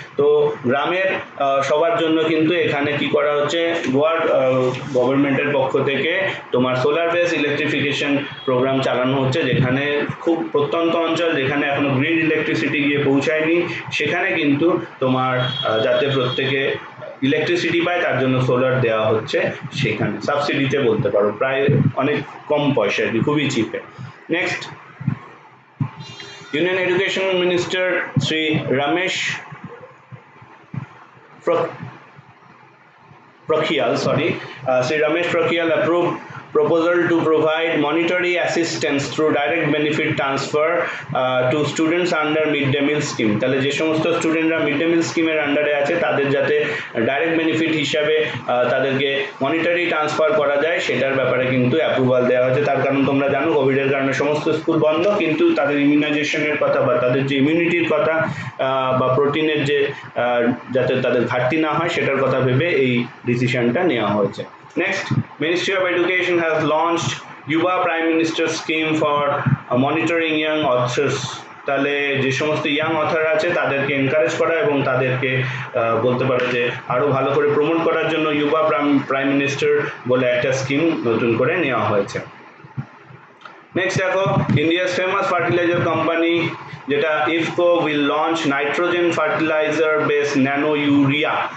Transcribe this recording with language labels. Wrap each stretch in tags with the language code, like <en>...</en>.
<bn>তো গ্রামের সবার জন্য কিন্তু এখানে কী করা হচ্ছে, গোয়ার গভর্নমেন্টের পক্ষ থেকে তোমার সোলার বেস ইলেকট্রিফিকেশন প্রোগ্রাম চালানো হচ্ছে, যেখানে খুব প্রত্যন্ত অঞ্চল যেখানে এখনও গ্রিন ইলেকট্রিসিটি গিয়ে পৌঁছায়নি সেখানে কিন্তু তোমার যাতে প্রত্যেকে ইলেকট্রিসিটি পায় তার জন্য সোলার দেওয়া হচ্ছে সেখানে সাবসিডিতে বলতে পারো, প্রায় অনেক কম পয়সায় কি খুবই চিপে।</bn> <en>Next, union education minister Shri Ramesh Pokhriyal Shri Ramesh Pokhriyal approve proposal to provide monetary assistance through direct benefit transfer to students under mid-day meal scheme.</en> <bn>তাহলে যে সমস্ত স্টুডেন্টরা মিড-ডে মিল স্কিমের আন্ডারে আছে তাদের যাতে ডাইরেক্ট বেনিফিট হিসাবে তাদেরকে মনিটারি ট্রান্সফার করা যায় সেটার ব্যাপারে কিন্তু অ্যাপ্রুভাল দেওয়া হয়েছে। তার কারণ তোমরা জানো কোভিডের কারণে সমস্ত স্কুল বন্ধ, কিন্তু তাদের ইমিউনাইজেশনের কথা বা তাদের যে ইমিউনিটির কথা বা প্রোটিনের যে যাতে তাদের ঘাটতি না হয় সেটার কথা ভেবে এই ডিসিশনটা নেওয়া হয়েছে।</bn> <en>Next, Ministry of Education has launched Yuva Prime Minister Scheme for monitoring young authors.</en> <bn>তাহলে যে সমস্ত ইয়াং অথার আছে তাদেরকে এনকারেজ করা এবং তাদেরকে বলতে পারো যে আরও ভালো করে প্রমোট করার জন্য ইউবা প্রাইম মিনিস্টার বলে একটা স্কিম নতুন করে নেওয়া হয়েছে।</bn> <en>Next দেখো, India's famous fertiliser company যেটা IFFCO will launch nitrogen fertiliser base nano urea.</en>